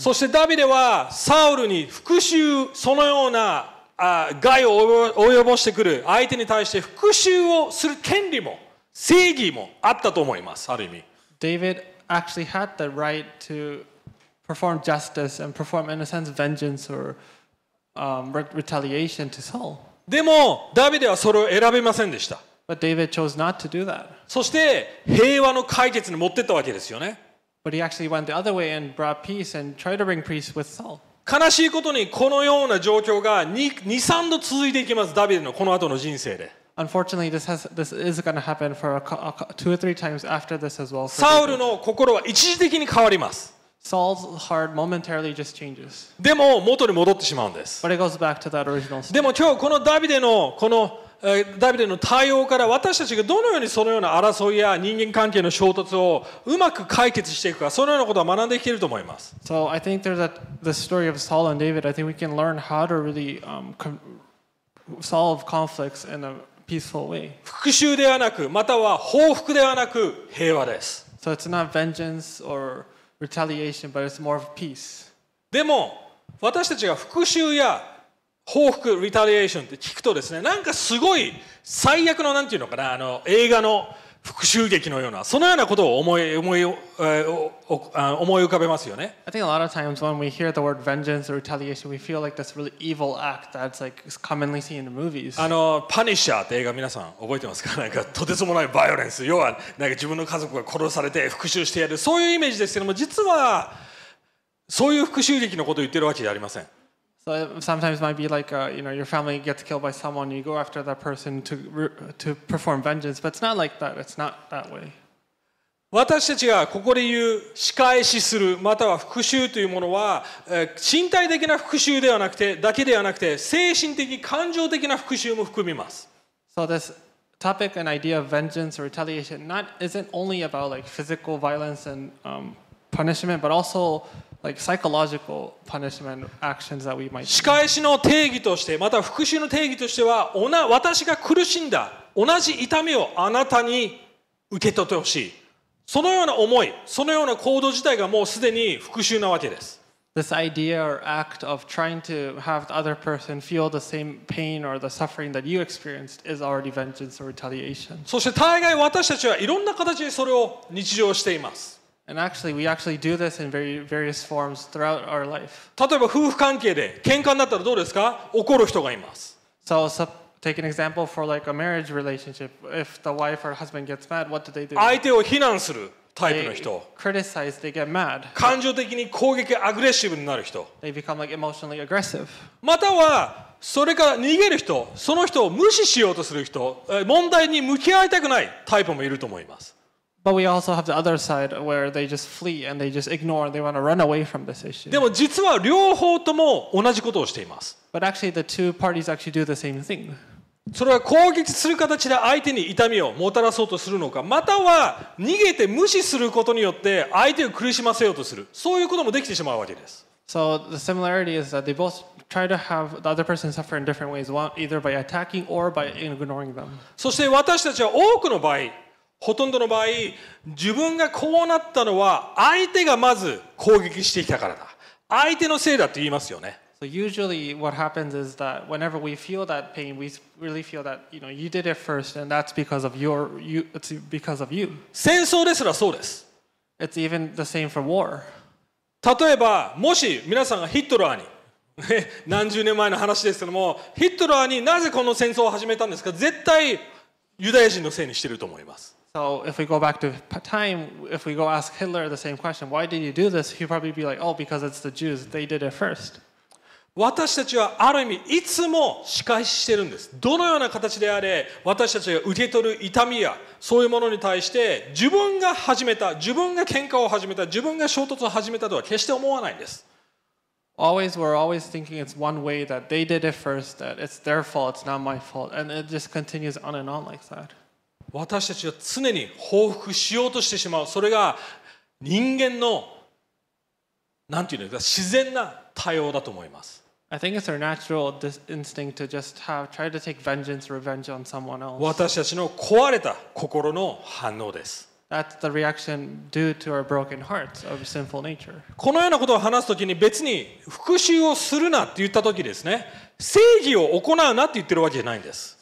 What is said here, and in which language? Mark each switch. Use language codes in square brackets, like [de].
[ja] そしてダビデはサウルに復讐、そのような害を及ぼしてくる相手に対して復讐をする権利も正義もあったと思います。ある意味。 [en] David actually had the right to perform justice and perform in a sense vengeance or retaliation to Saul. [ja] でもダビデはそれを選びませんでした。 [en] But David chose not to do that. [ja] そして平和の解決に持ってったわけですよね。 [en] But he actually went the other way and brought peace and tried to bring peace with Saul. [ja] 悲しいことにこのような状況が 2、3度続いていきます。ダビデのこの後の人生で。 [en] Unfortunately, this is going to happen for two or three times after this as well. [ja] サウルの心は一時的に変わります。 [en] Saul's heart momentarily just changes. [ja] でも元に戻ってしまうんです。 [en] But it goes back to that original state. [ja] でも今日このダビデのこのダビデの対応から私たちがどのようにそのような争いや人間関係の衝突をうまく解決していくか、そのようなことを学んでいけると思います。 [en] So I think there's the story of Saul and David. I think we can learn how to really solve conflicts in a peaceful way. [ja] 復讐ではなく、または報復ではなく平和です。 [en] So it's not vengeance or retaliation, but it's more of peace. [ja] でも私たちが復讐や報復、リタリエーションって聞くとですね、なんかすごい最悪のなんていうのかな、あの映画の復讐劇のような、そのようなことを思い浮かべますよね。 [en] I think a lot of times when we hear the word vengeance or retaliation, we feel like this really evil act that's like commonly seen in the movies. [ja] あの、パニッシャーって映画皆さん覚えてますか？なんかとてつもないバイオレンス。要はなんか自分の家族が殺されて復讐してやる。そういうイメージですけども、実はそういう復讐劇のことを言ってるわけじゃありません。 [en] So sometimes it might be like you know, your family gets killed by someone, you go after that person to perform vengeance, but it's not like that. It's not that way. [ja] 私たちがここで言う仕返しするまたは復讐というものは、身体的な復讐ではなくてだけではなくて精神的感情的な復讐も含みます。 [en] So this topic and idea of vengeance or retaliation not isn't only about like physical violence and punishment, but also like psychological punishment actions that we might. [ja] 仕返しの定義として、また復讐の定義としては、私が苦しんだ同じ痛みをあなたに受け取ってほしい、そのような思い、そのような行動自体がもうすでに復讐なわけです。 [en] This idea or act of trying to have the other person feel the same pain or the suffering that you experienced is already vengeance or retaliation. [ja] そして大概私たちはいろんな形でそれを日常しています。 [en] And actually, we actually do this in very various forms throughout our life. [ja] 例えば夫婦関係で喧嘩になったらどうですか？怒る人がいます。 [en] So, take an example for like a marriage relationship. If the wife or husband gets mad, what do they do? [ja] 相手を非難するタイプの人。 [en] They criticize, they get mad. [ja] 感情的に攻撃、アグレッシブになる人。 [en] They become like emotionally aggressive. [ja] またはそれから逃げる人、その人を無視しようとする人、問題に向き合いたくないタイプもいると思います。 [en] But we also have the other side where they just flee and they just ignore and they want to run away from this issue. [ja] でも実は両方とも同じことをしています。 [en] But actually the two parties actually do the same thing. [ja] それは攻撃する形で相手に痛みをもたらそうとするのか、または逃げて無視することによって相手を苦しませようとする。そういうこともできてしまうわけです。 [en] So the similarity is that they both try to have the other person suffer in different ways, either by attacking or by ignoring them. [ja] そして私たちは多くの場合、ほとんどの場合、自分がこうなったのは相手がまず攻撃してきたからだ。相手のせいだと言いますよね。 [en] So usually what happens is that whenever we feel that pain, we really feel that you know you did it first, and that's because of your you. It's because of you. [ja] 戦争ですらそうです。 [en] It's even the same for war. [ja] 例えばもし皆さんがヒトラーに何十年前の話ですけども、ヒトラーになぜこの戦争を始めたんですか。絶対ユダヤ人のせいにしてると思います。 [en] So if we go back to time, if we go ask Hitler the same question, why did you do this? He'd probably be like, oh, because it's the Jews. They did it first. [ja] 私たちはある意味いつも仕返ししてるんです。どのような形であれ、私たちが受け取る痛みやそういうものに対して自分が始めた、自分が喧嘩を始めた、自分が衝突を始めたとは決して思わないんです。 [en] Always, we're always thinking it's one way that they did it first, that it's their fault, it's not my fault, and it just continues on and on like that. [ja] 私たちは常に報復しようとしてしまう。それが人間のなんていうんですか、自然な対応だと思います。 [en] I think it's our natural instinct to just have try to take vengeance, revenge on someone else. [ja] 私たちの壊れた心の反応です。 [en] That's the reaction due to our broken hearts of sinful nature. [ja] このようなことを話すときに別に復讐をするなって言ったときですね、正義を行うなって言ってるわけじゃないんです。